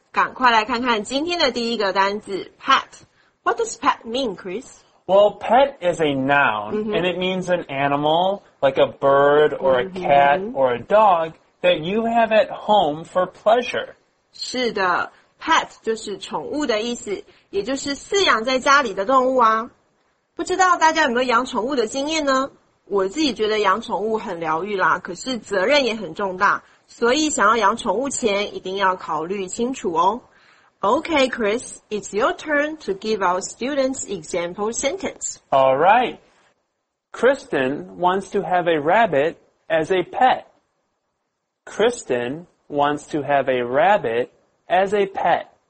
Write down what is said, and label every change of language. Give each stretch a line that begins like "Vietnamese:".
Chinese: 赶快来看看今天的第一个单字 ,pet.
English: What does pet mean, Chris? Well, pet is a noun,and it means an animal, like a bird or a cat or a dog, that you have at home for pleasure.
Chinese: 是的 ,pet 就是宠物的意思,也就是饲养在家里的动物啊。不知道大家有没有养宠物的经验呢?我自己觉得养宠物很疗愈啦,可是责任也很重大,所以想要养宠物前一定要考虑清楚哦。
English: Okay, Chris, it's your turn to give our students example sentence. All right. Kristen wants to have a rabbit as a pet. Kristen wants to have a rabbit as a pet.